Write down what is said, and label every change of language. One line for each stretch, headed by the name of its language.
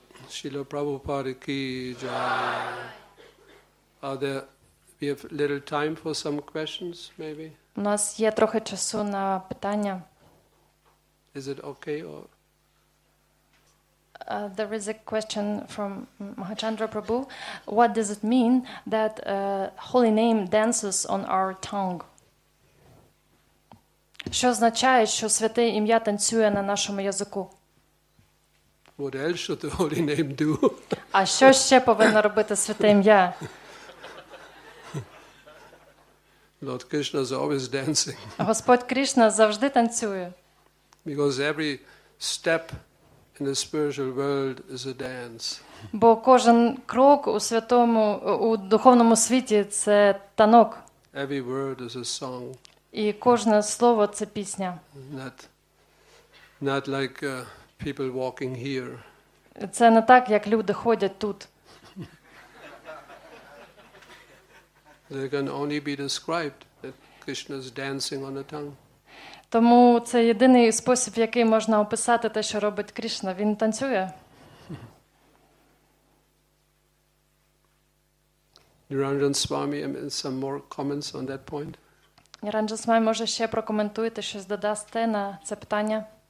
Ukrainian: Шріла Прабхупада кі джай.
English: We have little time for some questions, maybe?
Ukrainian: У нас є трохи часу на питання.
English: Is it okay? There is a question from Mahachandra Prabhu. What does it mean that holy name dances on our tongue?
Ukrainian: Що означає, що святе ім'я танцює на нашому язику?
English: What else should the holy name do?
Ukrainian: А що ще повинно робити святе ім'я?
English: Lord Krishna is always dancing.
Ukrainian: Господь Кришна завжди танцює.
English: Because every step in the spiritual world is a dance.
Ukrainian: Бо кожен крок у святому, у духовному світі – це танок.
English: Every word is a song.
Ukrainian: І кожне слово – це пісня.
English: Not like people walking here.
Ukrainian: Це не так, як люди ходять тут.
English: They can only be described that Krishna is dancing on the tongue.
Ukrainian: Тому це єдиний спосіб, який можна описати те, що робить Кришна. Він танцює.
English: Ніранджан Свамі, some more comments on that point?
Ukrainian: Ніранджан Свамі, може ще прокоментуєте, щось додасте на це питання?